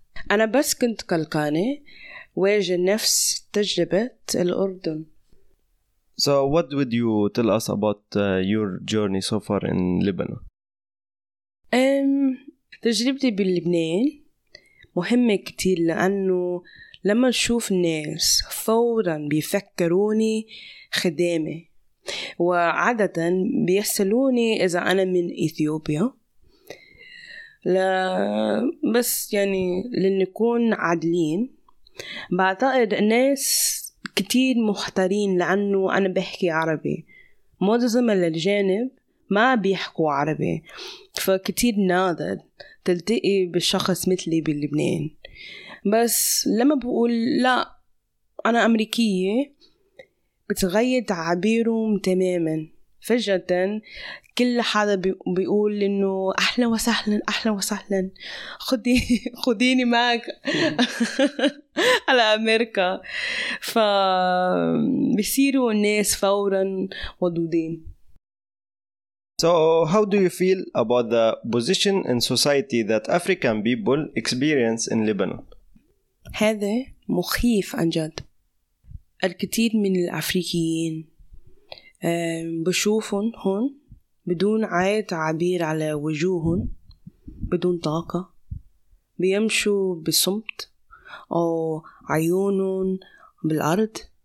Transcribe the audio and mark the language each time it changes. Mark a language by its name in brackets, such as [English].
[Arabic] أنا بس كنت قلقانة واجه نفس تجربة الأردن. [English] So what would you tell us about your journey so far in Lebanon? [Arabic] تجربتي باللبنان مهمة كتير لأنه لما نشوف الناس فورا بيفكروني خدامة، وعادة بيسألوني إذا أنا من إثيوبيا. لا بس يعني لنكون عادلين بعتقد الناس كتير محتارين لأنه أنا بحكي عربي، معظم الأجانب ما بيحكوا عربي، فكتير نادر تلتقي بشخص مثلي باللبنان. بس لما بقول لا أنا أمريكية بتغير تعبيرهم تماما فجأة. كل حدا بيقول إنه أحلى وسهلا أحلى وسهلا، خديني معك على أمريكا. فبيصيروا الناس فورا ودودين. [English] So how do you feel about the position in society that African people experience in Lebanon? [Arabic] هذا مخيف عن جد. الكثير من الأفريقيين بشوفهم هون بدون أي تعبير على وجوههم، بدون طاقة، بيمشوا بصمت أو عيونهم بالأرض.